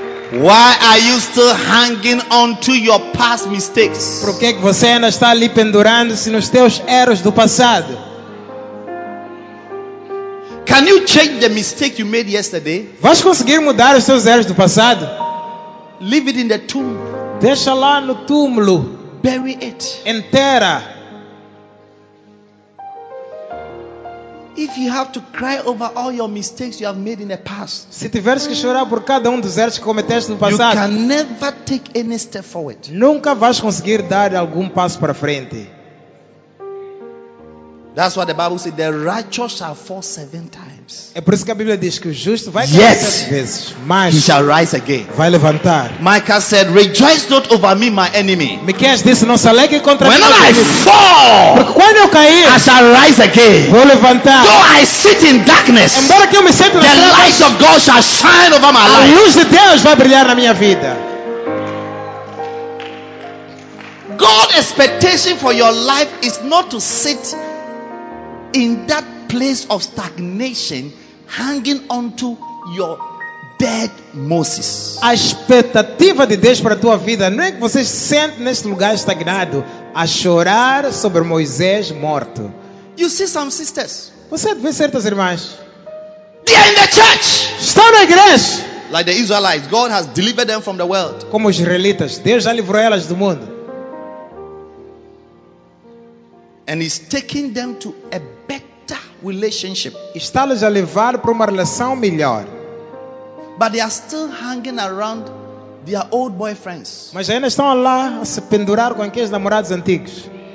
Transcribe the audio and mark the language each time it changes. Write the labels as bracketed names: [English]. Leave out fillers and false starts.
[English] Why are you still hanging on to your past mistakes? [Portuguese] Por que você ainda está ali pendurando-se nos teus erros do passado? [English] Can you change the mistake you made yesterday? [Portuguese] Vais conseguir mudar os teus erros do passado? [English] Leave it in the tomb. [Portuguese] Deixa lá no túmulo. [English] Bury it. [Portuguese] Enterra. [English] If you have to cry over all your mistakes you have made in the past, [Portuguese] se tiveres que chorar por cada dos erros que cometeste no passado, [English] you can never take any step forward. [Portuguese] Nunca vais conseguir dar algum passo para frente. [English] That's what the Bible says. The righteous shall fall seven times. [Portuguese] É por isso que a Bíblia diz que o justo vai [English] yes. [Portuguese] cair sete vezes, mas [English] he shall rise again. [Portuguese] Vai levantar. [English] Micah said, "Rejoice not over me, my enemy." [Portuguese] Miqueias disse, não se alegre contra [English] when [Portuguese] mim. [English] When I fall, [Portuguese] porque quando eu cair, [English] I shall rise again. [Portuguese] Vou levantar. [English] Though I sit in darkness, [Portuguese] embora que eu me sinta [English] the light of God shall shine over my life. [Portuguese] A luz de Deus vai brilhar na minha vida. [English] God's expectation for your life is not to sit in that place of stagnation, hanging onto your dead Moses. [Portuguese] A expectativa de Deus para a tua vida não é que você se sente neste lugar estagnado a chorar sobre Moisés morto. [English] You see some sisters. [Portuguese] Você vê certas irmãs. [English] They are in the church. [Portuguese] Estão na igreja. [English] Like the Israelites, God has delivered them from the world. [Portuguese] Como os israelitas, Deus já livrou elas do mundo. [English] And he's taking them to a better relationship. [Portuguese] Está-los a levar para uma relação melhor. [English] But they are still hanging around their old boyfriends. [Portuguese] Mas ainda estão lá a se pendurar com aqueles namorados antigos.